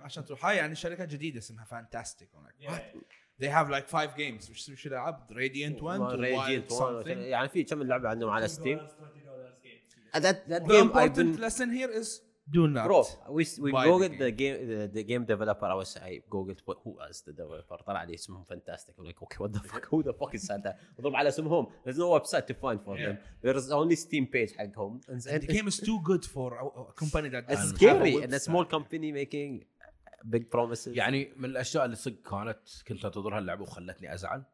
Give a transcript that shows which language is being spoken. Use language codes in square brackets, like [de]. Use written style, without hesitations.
[ar] عشان تروح هاي يعني شركة جديدة اسمها Fantastic. [en] I'm like, what? Yeah. They have like 5 games. Which we should have Radiant One. Radiant One. [ar] يعني في كم اللعبة عندهم على Steam? [en] That the important lesson here is do not. Bro, we googled the game developer. I was I googled who is the developer. [ar] طلع لي اسمهم Fantastic. [en] I'm like, okay, what the fuck? Who the fuck is Santa? [ar] وضرب على اسمهم. [en] There's no website to find for them. There's only Steam page [ar] حقهم. [en] And the game is too good for a company that. It's scary. And a small company making big promises. [ar] يعني من الأشياء اللي صدق كانت كنت أتضرها اللعبة وخلتني أزعل.